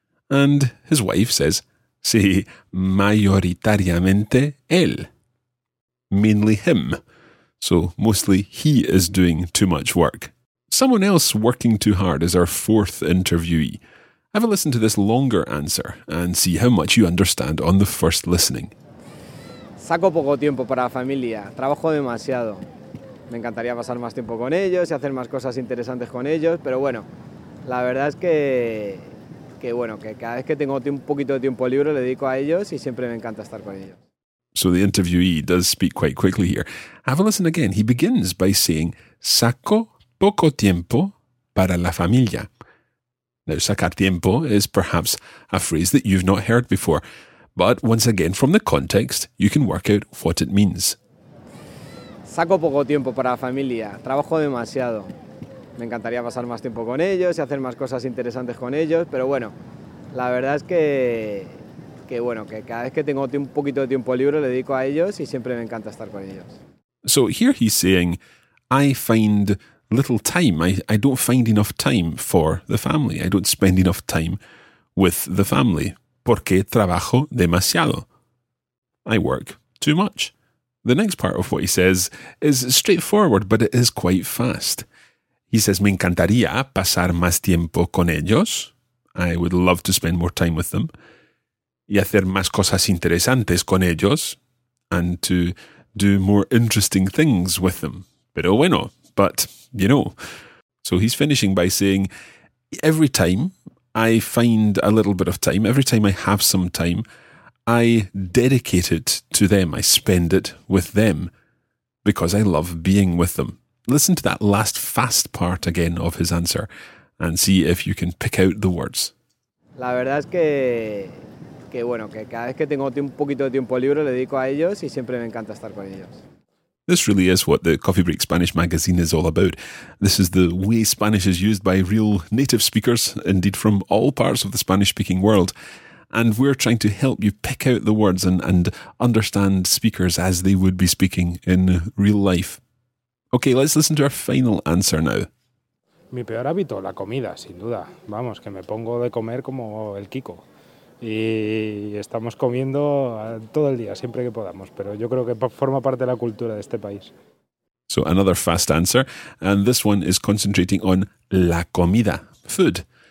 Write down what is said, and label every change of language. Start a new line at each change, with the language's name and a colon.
English: And his wife says,
Spanish: sí, mayoritariamente él,
English: mainly him. So mostly he is doing too much work. Someone else working too hard is our fourth interviewee. Have a listen to this longer answer and see how much you understand on the first listening.
Spanish: saco poco tiempo para la familia, trabajo demasiado. Me encantaría pasar más tiempo con ellos y hacer más cosas interesantes con ellos, pero bueno, la verdad es que cada vez que tengo un poquito de tiempo libre le dedico a ellos y siempre me encanta estar con ellos.
English: So the interviewee does speak quite quickly here. Have a listen again. He begins by saying,
Spanish: saco poco tiempo para la familia.
English: Now, sacar tiempo is perhaps a phrase that you've not heard before. But once again, from the context, you can work out what it means.
Spanish: Saco poco tiempo para la familia. Trabajo demasiado. Me encantaría pasar más tiempo con ellos y hacer más cosas interesantes con ellos. Pero bueno, la verdad es que cada vez que tengo un poquito de tiempo libre le dedico a ellos y siempre me encanta estar con ellos.
English: So here he's saying, I find little time. I don't find enough time for the family. I don't spend enough time with the family.
Spanish: Porque trabajo demasiado.
English: I work too much. The next part of what he says is straightforward, but it is quite fast. He says,
Spanish: me encantaría pasar más tiempo con ellos.
English: I would love to spend more time with them.
Spanish: Y hacer más cosas interesantes con ellos.
English: And to do more interesting things with them.
Spanish: Pero bueno,
English: but, you know. So he's finishing by saying, every time I find a little bit of time, every time I have some time, I dedicate it to them. I spend it with them because I love being with them. Listen to that last fast part again of his answer and see if you can pick out the words.
Spanish: La verdad es que cada vez que tengo un poquito de tiempo libre le dedico a ellos y siempre me encanta estar con ellos.
English: This really is what the Coffee Break Spanish magazine is all about. This is the way Spanish is used by real native speakers, indeed from all parts of the Spanish-speaking world. And we're trying to help you pick out the words and understand speakers as they would be speaking in real life. Okay, let's listen to our final answer now.
Spanish: Mi peor hábito, la comida, sin duda. Vamos, que me pongo de comer como el Kiko. Y estamos comiendo todo el día, siempre que podamos, pero yo creo que forma parte de la cultura de este país.
English: So another fast answer, and this one is concentrating on la comida, food.